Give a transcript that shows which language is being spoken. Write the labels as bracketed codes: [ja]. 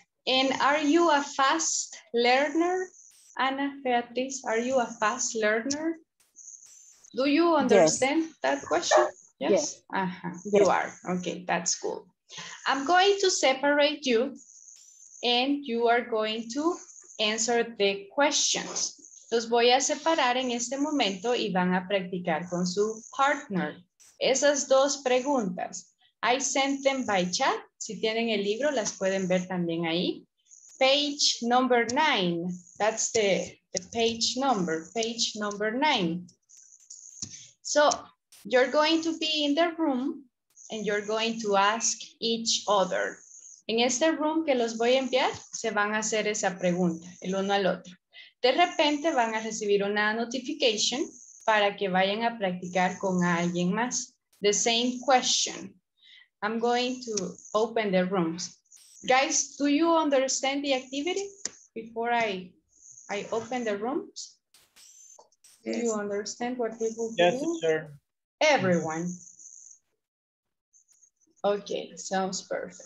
[en] And are you a fast learner? Ana Beatriz, are you a fast learner? Do you understand that question? Yes. Yes. You are. Okay, that's cool. I'm going to separate you and you are going to answer the questions. [es] Los voy a separar en este momento y van a practicar con su partner. Esas dos preguntas. [en] I sent them by chat. [es] Si tienen el libro, las pueden ver también ahí. [en] Page number 9. That's the page number, page number 9. So you're going to be in the room and you're going to ask each other. [es] En este room que los voy a enviar, se van a hacer esa pregunta, el uno al otro. De repente van a recibir una notification para que vayan a practicar con alguien más. [en] The same question. I'm going to open the rooms. Guys, do you understand the activity before I open the rooms? Do you understand what we will do? Yes, sir. Everyone. Okay, sounds perfect.